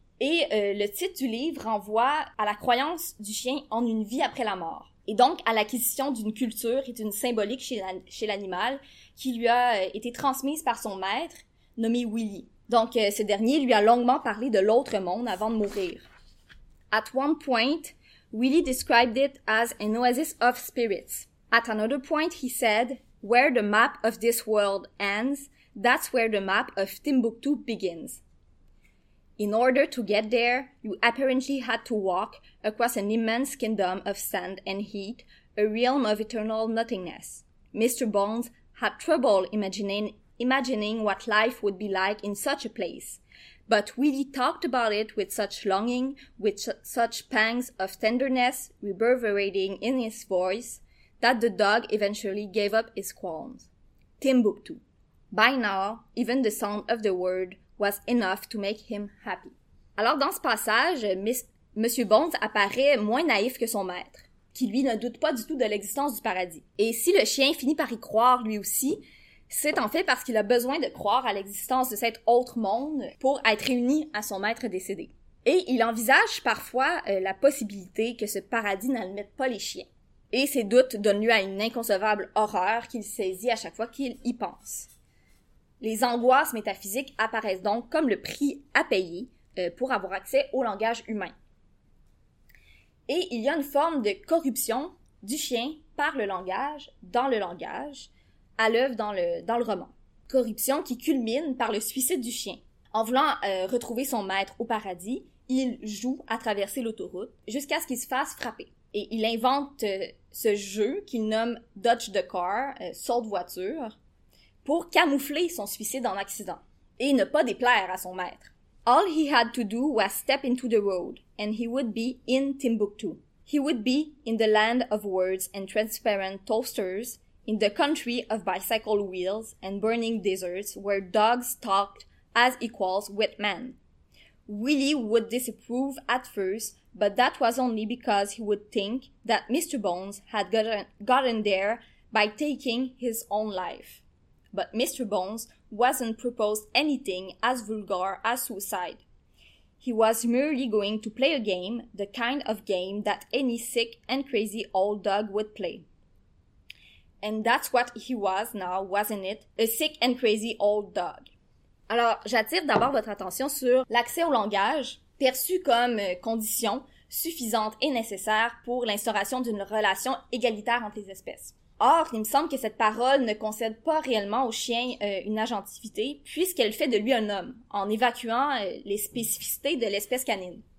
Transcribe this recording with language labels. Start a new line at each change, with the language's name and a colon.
French: Et le titre du livre renvoie à la croyance du chien en une vie après la mort. Et donc à l'acquisition d'une culture et d'une symbolique chez l'animal qui lui a été transmise par son maître, nommé Willy. Donc ce dernier lui a longuement parlé de l'autre monde avant de mourir.
English: « At one point, Willy described it as an oasis of spirits. At another point, he said, "Where the map of this world ends, that's where the map of Timbuktu begins." In order to get there, you apparently had to walk across an immense kingdom of sand and heat, a realm of eternal nothingness. Mr. Bones had trouble imagining what life would be like in such a place. But Willie talked about it with such longing, with such pangs of tenderness reverberating in his voice, that the dog eventually gave up his qualms. Timbuktu. By now, even the sound of the word was enough to make him happy.
French: Alors dans ce passage, Monsieur Bones apparaît moins naïf que son maître, qui lui ne doute pas du tout de l'existence du paradis. Et si le chien finit par y croire lui aussi, c'est en fait parce qu'il a besoin de croire à l'existence de cet autre monde pour être réuni à son maître décédé. Et il envisage parfois la possibilité que ce paradis n'admette pas les chiens. Et ses doutes donnent lieu à une inconcevable horreur qu'il saisit à chaque fois qu'il y pense. Les angoisses métaphysiques apparaissent donc comme le prix à payer pour avoir accès au langage humain. Et il y a une forme de corruption du chien par le langage, dans le langage, à l'œuvre dans le roman. Corruption qui culmine par le suicide du chien. En voulant retrouver son maître au paradis, il joue à traverser l'autoroute jusqu'à ce qu'il se fasse frapper. Et il invente ce jeu qu'il nomme «
English: Dodge the car
French: », « saut de voiture », pour camoufler son suicide en accident et ne pas déplaire à son maître.
English: « All he had to do was step into the road, and he would be in Timbuktu. He would be in the land of words and transparent toasters, in the country of bicycle wheels and burning deserts where dogs talked as equals with men. Willie would disapprove at first, but that was only because he would think that Mr. Bones had gotten there by taking his own life. But Mr. Bones wasn't proposed anything as vulgar as suicide. He was merely going to play a game, the kind of game that any sick and crazy old dog would play. And that's what he was now, wasn't it? A sick and crazy old dog.
French: » Alors, j'attire d'abord votre attention sur l'accès au langage, perçu comme condition suffisante et nécessaire pour l'instauration d'une relation égalitaire entre les espèces. Or, il me semble que cette parole ne concède pas réellement au chien une agentivité, puisqu'elle fait de lui un homme, en évacuant les spécificités de l'espèce canine.